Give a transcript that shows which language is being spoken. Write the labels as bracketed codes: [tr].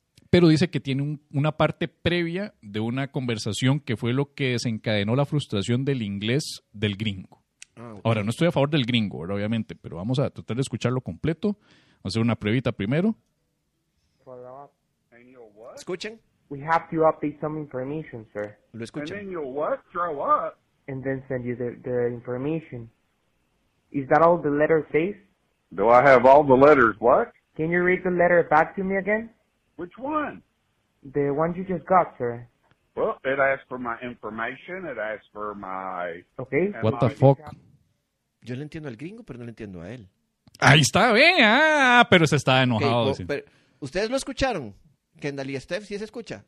[es] Pero dice que tiene una parte previa de una conversación que fue lo que desencadenó la frustración del inglés del gringo. Ahora, no estoy a favor del gringo, obviamente, pero vamos a tratar de escucharlo completo. Vamos a hacer una pruebita primero. Escuchen. [en] We have to update some information, sir. [es] Lo escuchan. [en] And then you'll what? Throw up. And then send you the information. Is that all the letters safe? Do I have all the letters? What? Can you read the letter back to me again? Which one? The one you just got, sir. Well, it asked for my information, it asked for my... Okay. What the fuck? [es] Yo le entiendo al gringo, pero no le entiendo a él. Ahí está, bien, pero se está enojado. Okay, pero, ¿ustedes lo escucharon? Kendall y Steph, ¿sí se escucha?